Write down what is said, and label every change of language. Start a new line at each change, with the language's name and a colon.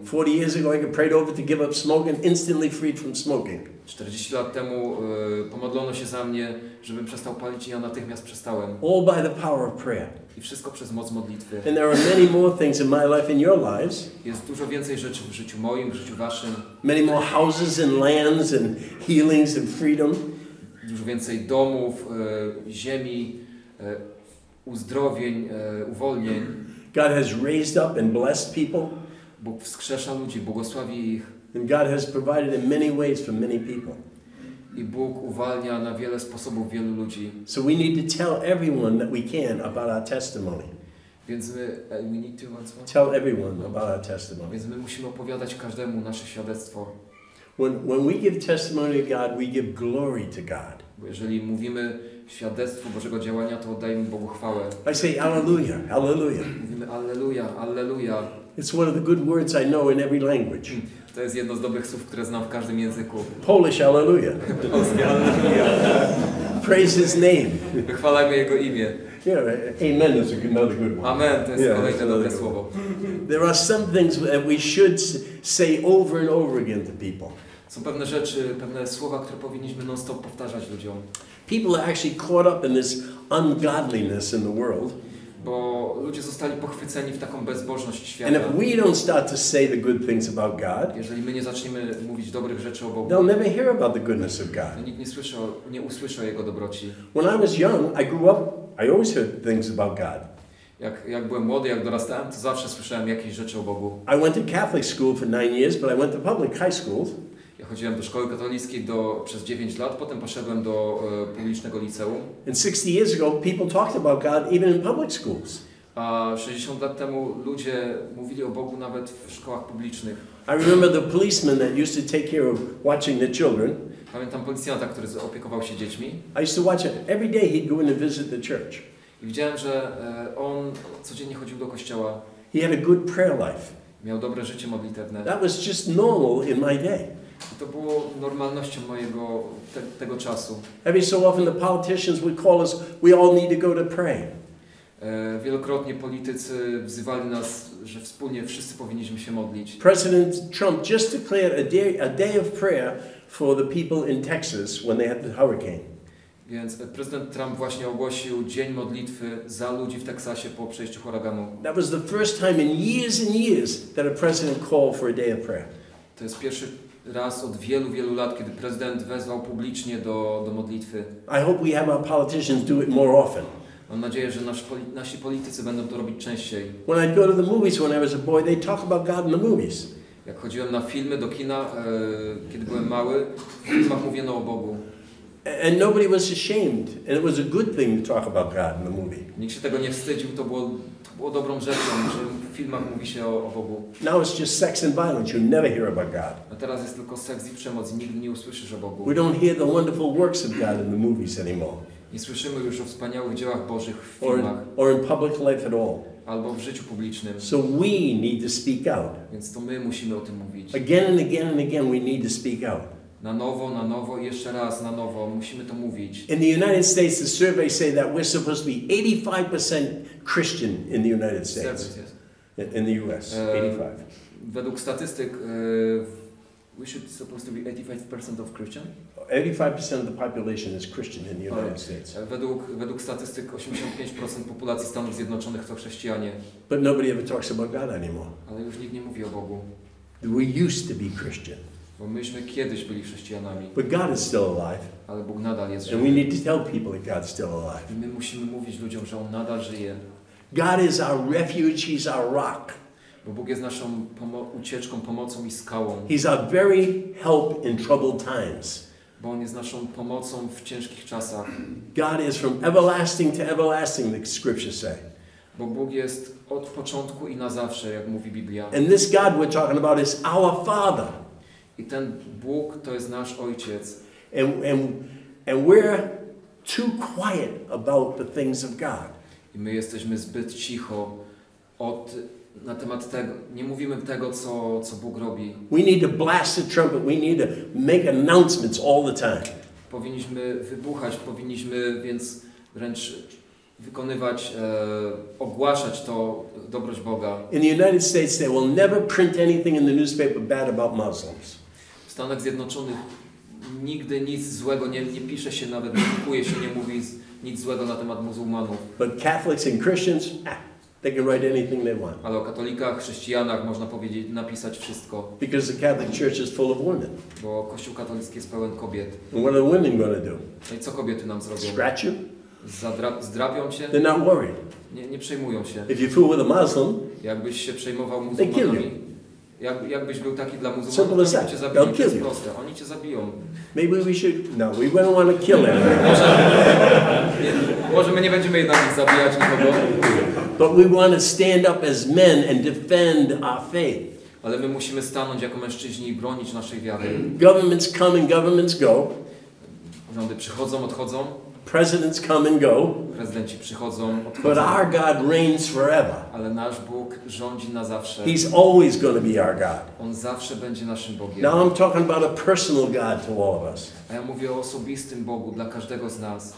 English: 40 years ago I got prayed over to give up smoking, instantly freed from smoking.
Polish: 40 lat temu pomodlono się za mnie, żebym przestał palić i ja natychmiast przestałem.
English: All by the power of prayer.
Polish: I wszystko przez moc modlitwy.
English: And there are many more things in my life and your lives.
Polish: Jest dużo więcej rzeczy w życiu moim, w życiu waszym.
English: Many more houses and lands and healings and freedom.
Polish: Dużo więcej domów, ziemi, uzdrowień, uwolnień.
English: God has raised up and blessed people.
Polish: Bóg wskrzesza ludzi, błogosławi ich.
English: And God has provided in many ways for many people.
Polish: I Bóg uwalnia na wiele sposobów wielu ludzi.
English: So we need to tell everyone that we can about our testimony.
Polish: Więc my,
English: we need to once more. Tell everyone about our testimony.
Polish: Więc my musimy opowiadać każdemu nasze świadectwo.
English: When we give testimony to God, we give glory to God.
Polish: Jeżeli mówimy świadectwo Bożego działania, to oddajemy Bogu chwałę.
English: I say hallelujah, hallelujah.
Polish: Mówimy hallelujah, hallelujah.
English: It's one of the good words I know in every language.
Polish: To jest jedno z dobrych słów, które znam w każdym języku.
English: Polish hallelujah.
Polish: Polski hallelujah.
English: Praise his name.
Polish: Chwalajmy jego imię.
English: Yeah, amen is another good one.
Polish: Amen, to jest kolejne dobre słowo.
English: There are some things that we should say over and over again to people.
Polish: Są pewne rzeczy, pewne słowa, które powinniśmy non-stop powtarzać ludziom.
English: People are actually caught up in this ungodliness in the world.
Polish: Bo ludzie zostali pochwyceni w taką bezbożność świata.
English: And if we don't start to say the good things about God,
Polish: jeżeli my nie zaczniemy mówić dobrych rzeczy o Bogu,
English: they'll never hear about the goodness of God.
Polish: Nikt nie usłyszy o Jego dobroci.
English: When I was young, I grew up, I always heard things about God.
Polish: Jak byłem młody, jak dorastałem, to zawsze słyszałem jakieś rzeczy o Bogu.
English: I went to Catholic school for 9 years, but I went to public high school.
Polish: Ja chodziłem do szkoły katolickiej przez 9 lat, potem poszedłem do publicznego liceum.
English: And 60 years ago people talked about God even in public schools.
Polish: A 60 lat temu ludzie mówili o Bogu nawet w szkołach publicznych.
English: I remember the policeman that used to take care of watching the children.
Polish: Pamiętam policjanta, który opiekował się dziećmi.
English: I used to watch him. Every day he'd go in to visit the church.
Polish: I widziałem, że on codziennie chodził do kościoła.
English: He had a good prayer life.
Polish: Miał dobre życie modlitewne.
English: That was just normal in my day.
Polish: I to było normalnością mojego tego czasu.
English: Every so often the politicians would call us, we all need to go to pray.
Polish: Wielokrotnie politycy wzywali nas, że wspólnie wszyscy powinniśmy się modlić.
English: President Trump just declared a day of prayer for the people in Texas when they had the hurricane.
Polish: Więc prezydent Trump właśnie ogłosił dzień modlitwy za ludzi w Teksasie po przejściu huraganu.
English: That was the first time in years and years that a president called for a day of prayer.
Polish: To jest pierwszy raz od wielu, wielu lat, kiedy prezydent wezwał publicznie do modlitwy.
English: I hope we have our politicians do it more often.
Polish: Mam nadzieję, że nasi politycy będą to robić częściej.
English: When I'd go to the movies when I was a boy, they talk about God in the movies.
Polish: Jak chodziłem na filmy, do kina, kiedy byłem mały, w filmach mówiono o Bogu.
English: And nobody was ashamed. And it was a good thing to talk about God in the movie.
Polish: Nikt się tego nie wstydził, to było dobrą rzeczą, że w filmach mówi się o Bogu.
English: Now it's just sex and violence. You never hear about God.
Polish: A teraz jest tylko seks i przemoc i nigdy nie usłyszysz o Bogu.
English: We don't hear the wonderful works of God in the movies anymore.
Polish: Nie słyszymy już o wspaniałych dziełach Bożych w filmach.
English: Or in public life at all.
Polish: Albo w życiu publicznym.
English: So we need to speak out.
Polish: Więc to my musimy o tym mówić.
English: Again and again and again we need to speak out.
Polish: Na nowo i jeszcze raz na nowo musimy to mówić.
English: In the United States the survey say that we're supposed to be 85% Christian in the United States. Yes. In the US, 85.
Polish: Według statystyk
English: We should supposed to be 85% of Christian? 85% of the population is Christian in the United States.
Polish: Według statystyk 85% populacji Stanów Zjednoczonych to chrześcijanie.
English: But nobody ever talks about God anymore.
Polish: Ale już nikt nie mówi o Bogu.
English: We used to be Christian.
Polish: Bo myśmy kiedyś byli chrześcijanami.
English: But God is still alive.
Polish: Ale Bóg nadal jest żywy.
English: And we need to tell people that God is still alive.
Polish: I my musimy mówić ludziom, że on nadal żyje.
English: God is our refuge, he's our rock.
Polish: Bo Bóg jest naszą ucieczką, pomocą i skałą.
English: He's our very help in troubled times.
Polish: Bo on jest naszą pomocą w ciężkich czasach.
English: God is from everlasting to everlasting, the scriptures say.
Polish: Bo Bóg jest od początku i na zawsze, jak mówi Biblia.
English: And this God we're talking about is our Father.
Polish: I ten Bóg to jest nasz Ojciec.
English: And we're too quiet about the things of God.
Polish: I my jesteśmy zbyt cicho od na temat tego, nie mówimy tego, co Bóg robi.
English: We need to blast the trumpet. We need to make announcements all the time.
Polish: Powinniśmy wybuchać, powinniśmy więc wręcz wykonywać, ogłaszać to dobroć Boga.
English: In the United States, they will never print anything in the newspaper bad about Muslims.
Polish: W Stanach Zjednoczonych nigdy nic złego nie pisze się, nawet nie drukuje się, nie mówi nic złego na temat muzułmanów.
English: But Catholics and Christians, they can write anything they want.
Polish: Ale o katolikach, chrześcijanach można powiedzieć, napisać wszystko.
English: Because the Catholic Church is full of women.
Polish: Bo Kościół katolicki jest pełen kobiet.
English: And what are the women gonna do?
Polish: No i co kobiety nam zrobią?
English: Scratch you?
Polish: Zdrapią cię?
English: They're not worried.
Polish: Nie przejmują się.
English: If you fool with a Muslim,
Polish: jakbyś się przejmował muzułmanami,
English: they kill you.
Polish: Jakbyś był taki dla muzułmanów, oni cię zabiją.
English: They'll kill you.
Polish: Proste. Oni cię zabiją.
English: Maybe we should. No, we don't want to kill them.
Polish: Może my nie będziemy jednak zabijać nikogo.
English: But we want to stand up as men and defend our faith.
Polish: Ale my musimy stanąć jako mężczyźni i bronić naszej wiary.
English: Governments come and governments go.
Polish: Rządy przychodzą, odchodzą.
English: Presidents come and go.
Polish: Prezydenci przychodzą, odchodzą.
English: But our God reigns forever.
Polish: Ale nasz Bóg rządzi na zawsze.
English: He's always going to be our God.
Polish: On zawsze będzie naszym Bogiem.
English: Now I'm talking about a personal God to all of us.
Polish: A ja mówię o osobistym Bogu dla każdego z nas.